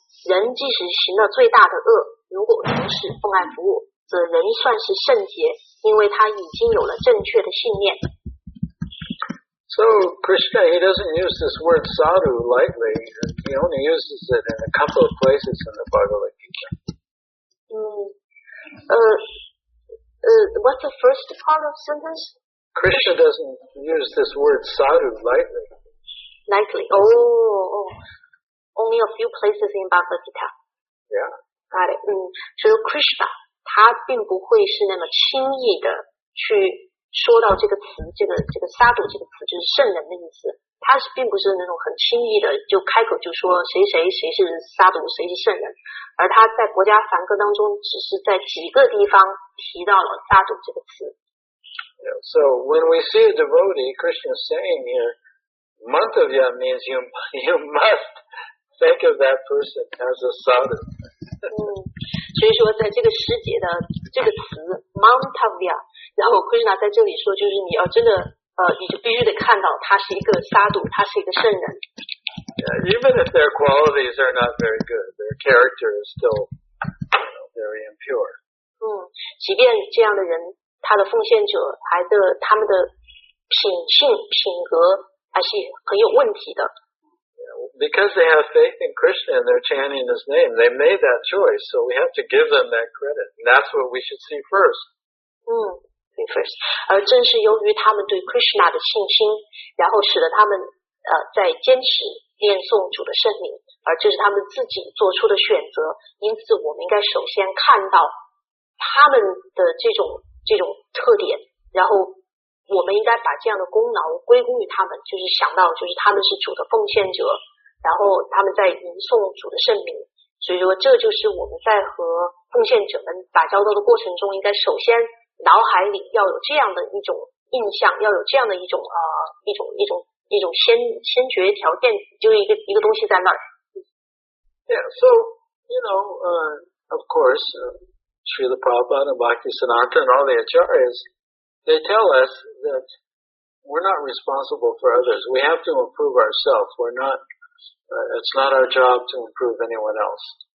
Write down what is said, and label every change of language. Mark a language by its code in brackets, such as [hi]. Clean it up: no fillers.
[zh] 9.30, 人即使行了最大的恶，如果从事奉爱服务，则仍算是圣洁，因为他已经有了正确的信念。 [en] So Krishna, he doesn't use this word sadhu lightly. He only uses it in a couple of places in the Bhagavad Gita. What's the first part of sentence? Krishna doesn't use this word sadhu lightly. Lightly. Oh. Only a few places in Bhagavad Gita. Yeah. Got it. [zh] So Krishna, 他并不会是那么轻易的去说到这个词，这个沙赌这个词就是圣人的意思，他是并不是那种很轻易的就开口就说谁是沙赌，谁是圣人，而他在薄伽梵歌当中只是在几个地方提到了沙赌这个词。 [en] Yeah, so when we see a devotee, Krishna's saying here, Mantavya means you must think of that person as a sadhu. [zh] 所以说在这个时节的这个词 Mantavya，然后 Krishna 在这里说，就是你要真的，你就必须得看到他是一个沙赌，他是一个圣人。 [en] even if their qualities are not very good, their character is still, you know, very impure. [zh] 即便这样的人，他的奉献者还的他们的品性品格还是很有问题的。 [en] Because they have faith in Krishna and they're chanting his name, they made that choice, so we have to give them that credit. And that's what we should see first. 嗯 ,first. [zh] 而正是由于他们对 Krishna 的信心，然后使得他们在坚持念诵主的圣名，而这是他们自己做出的选择，因此我们应该首先看到他们的这种特点，然后我们应该把这样的功劳归功于他们，就是想到就是他们是主的奉献者，然后他们在吟诵主的圣名，所以说这就是我们在和奉献者们打交道的过程中，应该首先脑海里要有这样的一种印象，要有这样的一种先决条件，就是一个东西在那儿。 [en] Yeah, so you know, of course, Srila Prabhupada and Bhakti Sanatana and all the acharyas, they tell us that we're not responsible for others. We have to improve ourselves. We're not. It's not our job to improve anyone else.